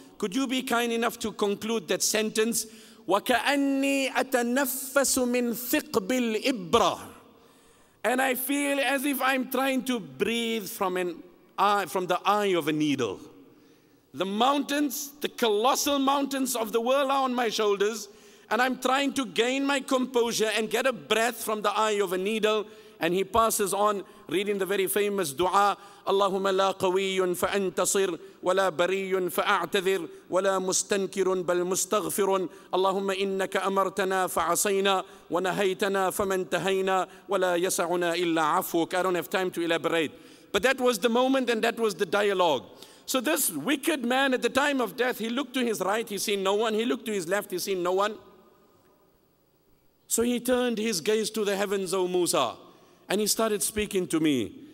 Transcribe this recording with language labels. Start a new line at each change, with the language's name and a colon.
English: Could you be kind enough to conclude that sentence?
Arabic: وَكَأَنِّي أَتَنَفَّسُ مِنْ ثِقْبِ الْإِبْرَةِ
English: And I feel as if I'm trying to breathe from an eye, from the eye of a needle. The mountains, the colossal mountains of the world are on my shoulders, And I'm trying to gain my composure and get a breath from the eye of a needle. And he passes on reading the very famous dua,
Arabic: اللهم لا قوي فأنتصر ولا بري فأعتذر ولا مستنكر بل مستغفر اللهم إنك أمرتنا فعصينا ونهيتنا فمن تهينا ولا يسعنا إلا عفوك.
English: I don't have time to elaborate. But that was the moment and that was the dialogue. So this wicked man at the time of death, he looked to his right, he seen no one. He looked to his left, he seen no one. So he turned his gaze to the heavens, O Musa, and he started speaking to me.